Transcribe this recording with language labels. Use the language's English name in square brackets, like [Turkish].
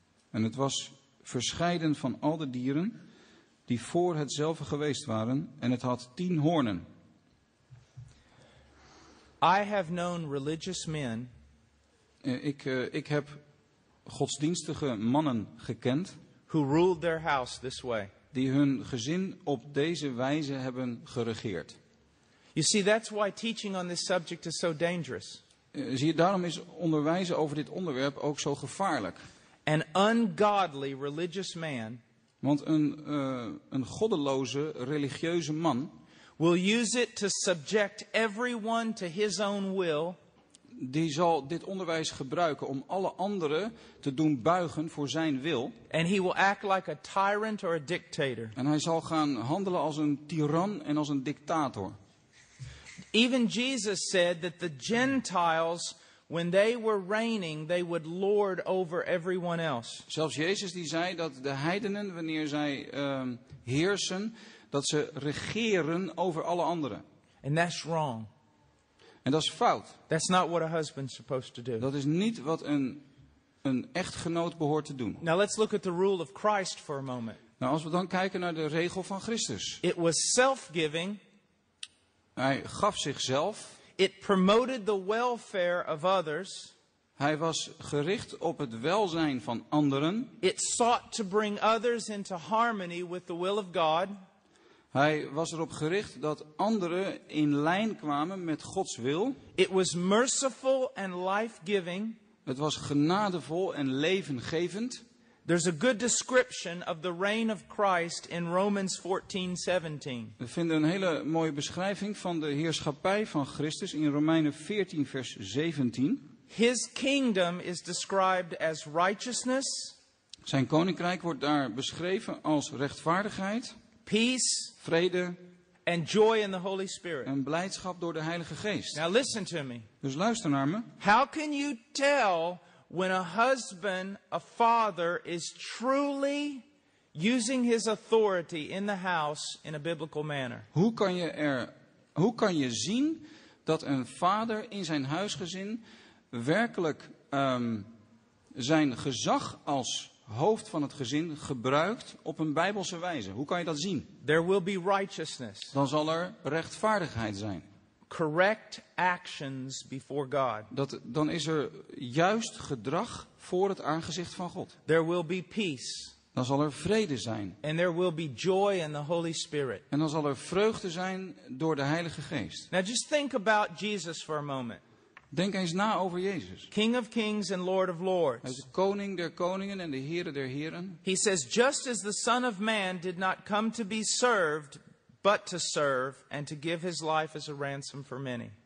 [Dutch] En het was verscheiden van al de dieren die voor hetzelfde geweest waren en het had 10 hoornen. [English] I have known religious men. [Dutch] Ik heb godsdienstige mannen gekend. [English] Who ruled their house this way. [Dutch] Die hun gezin op deze wijze hebben geregeerd. [English] You see, that's why teaching on this subject is so dangerous. [Dutch] Zie je, daarom is onderwijzen over dit onderwerp ook zo gevaarlijk. [English] An ungodly religious man. [Dutch] Want een goddeloze religieuze man. [English] Will use it to subject everyone to his own will. [Dutch] Die zal dit onderwijs gebruiken om alle anderen te doen buigen voor zijn wil. [English] And he will act like a tyrant or a dictator. [Dutch] En hij zal gaan handelen als een tiran en als een dictator. [English] Even Jesus said that the Gentiles, when they were reigning, they would lord over everyone else. [Dutch] Zelfs Jezus die zei dat de heidenen wanneer zij heersen, dat ze regeren over alle anderen. [English] And that's wrong. [Dutch] En dat is fout. [English] That's not what a husband's supposed to do. [Dutch] Dat is niet wat een echtgenoot behoort te doen. [English] Now let's look at the rule of Christ for a moment. [Dutch] Nou, als we dan kijken naar de regel van Christus. [English] It was self-giving. [Dutch] Hij gaf zichzelf. [English] It promoted the welfare of others. [Dutch] Hij was gericht op het welzijn van anderen. [English] It sought to bring others into harmony with the will of God. [Dutch] Hij was erop gericht dat anderen in lijn kwamen met Gods wil. [English] It was merciful and life-giving. [Dutch] Het was genadevol en levengevend. [English] There's a good description of the reign of Christ in Romans 14:17. [Dutch] We vinden een hele mooie beschrijving van de heerschappij van Christus in Romeinen 14 vers 17. [English] His kingdom is described as righteousness. [Dutch] Zijn koninkrijk wordt daar beschreven als rechtvaardigheid. [English] Peace, [Dutch] vrede, [English] and joy in the Holy Spirit. [Dutch] En blijdschap door de Heilige Geest. [English] Now listen to me. [Dutch] Dus luister naar me. [English] How can you tell when a husband, a father, is truly using his authority in the house in a biblical manner? [Dutch] Hoe kan je zien dat een vader in zijn huisgezin werkelijk zijn gezag als hoofd van het gezin gebruikt op een bijbelse wijze? Hoe kan je dat zien? [English] There will be righteousness. [Dutch] Dan zal er rechtvaardigheid zijn. [English] Correct actions before God. [Dutch] Dan is er juist gedrag voor het aangezicht van God. [English] There will be peace. [Dutch] Dan zal er vrede zijn. [English] And there will be joy in the Holy Spirit. [Dutch] En dan zal er vreugde zijn door de Heilige Geest. [English] Now just think about Jesus for a moment. [Dutch] Denk eens na over Jezus. [English] King of kings and Lord of lords. [Dutch] Hij is de koning der koningen en de heren der heren. [English] He says, just as the Son of Man did not come to be served, but to serve and to give his life as a ransom for many.